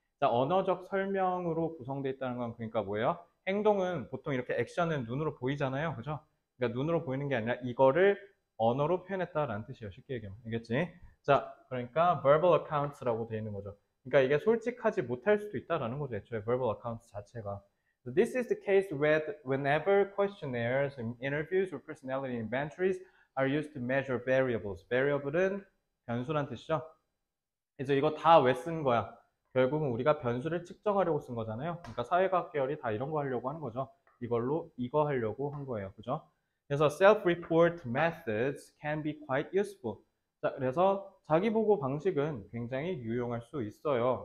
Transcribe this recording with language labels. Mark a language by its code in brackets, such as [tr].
[ko] 자 언어적 설명으로 구성되어 있다는 건 그러니까 뭐예요? 행동은 보통 이렇게 액션은 눈으로 보이잖아요. 그죠? 그러니까 눈으로 보이는 게 아니라 이거를 언어로 표현했다라는 뜻이에요. 쉽게 얘기하면. 알겠지? 자 그러니까 [en] verbal accounts [ko] 라고 되어 있는 거죠. 그러니까 이게 솔직하지 못할 수도 있다라는 거죠. 애초에 [en] verbal accounts [ko] 자체가. [en] This is the case whenever questionnaires, interviews, or personality inventories are used to measure variables. [ko] Variable은 변수란 뜻이죠. 이제 이거 다왜쓴 거야? 결국은 우리가 변수를 측정하려고 쓴 거잖아요. 그러니까 사회과학 계열이 다 이런 거 하려고 하는 거죠. 이걸로 이거 하려고 한 거예요. 그죠? 그래서 [en] self-report methods can be quite useful. [ko] 자, 그래서 자기 보고 방식은 굉장히 유용할 수 있어요.